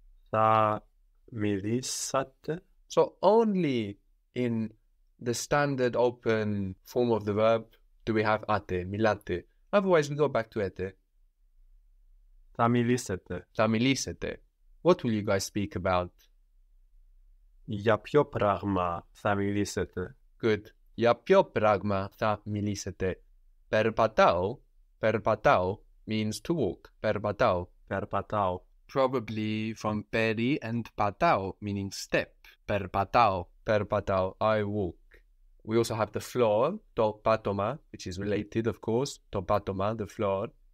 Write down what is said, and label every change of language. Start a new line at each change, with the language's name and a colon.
Greek: Θα μιλήσατε.
English: So only in the standard open form of the verb do we have ate, μιλάτε. Otherwise, we go back to ete.
Greek: Θα μιλήσετε. Θα μιλήσετε.
English: What will you guys speak about?
Greek: Για ποιο πράγμα θα μιλήσετε.
English: Good.
Greek: Για ποιο πράγμα θα μιλήσετε. Περπατάω.
English: Περπατάω means to walk.
Greek: Περπατάω. Περπατάω.
English: Probably from περί and πατάω, meaning step.
Greek: Περπατάω. Περπατάω.
English: I walk. We also have the floor,
Greek: το πάτωμα,
English: which is related, of course, το πάτωμα, the floor.